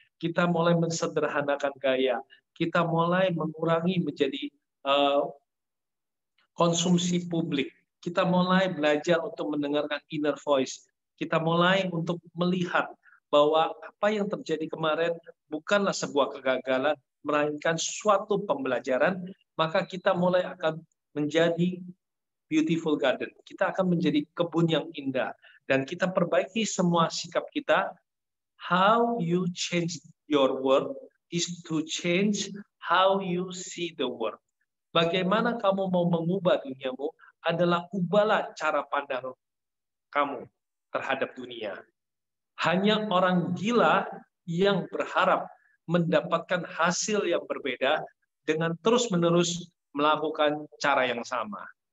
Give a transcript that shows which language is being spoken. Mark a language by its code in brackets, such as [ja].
[id] Kita mulai mensederhanakan gaya, kita mulai mengurangi menjadi konsumsi publik, kita mulai belajar untuk mendengarkan inner voice, kita mulai untuk melihat bahwa apa yang terjadi kemarin bukanlah sebuah kegagalan, melainkan suatu pembelajaran, maka kita mulai akan menjadi beautiful garden. Kita akan menjadi kebun yang indah. Dan kita perbaiki semua sikap kita. [en] How you change your world is to change how you see the world. [id] Bagaimana kamu mau mengubah duniamu adalah ubahlah cara pandang kamu terhadap dunia. Hanya orang gila yang berharap mendapatkan hasil yang berbeda dengan terus-menerus melakukan cara yang sama.